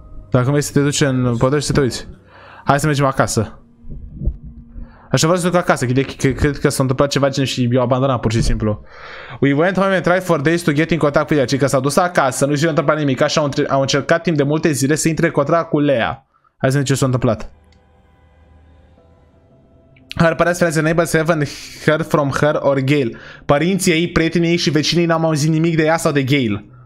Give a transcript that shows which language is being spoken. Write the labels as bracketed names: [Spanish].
[Romanian] Dacă vrei să te duci în pădure și să te uiți. Hai să mergem acasă. Așa vreau să duc acasă, cred că s-a întâmplat ceva gen și eu abandonam pur și simplu. [English] We went home and tried for days to get in contact with Lea. [Romanian] Cică s-a dus acasă, nu s-a întâmplat nimic. Așa au încercat timp de multe zile să intre în contact cu Lea. Hai să vedem ce s-a întâmplat. [English] Her parents friends and neighbors haven't heard from her or Gale. [Romanian] Părinții ei, prietenii ei și vecinii n-au auzit nimic de ea sau de Gale.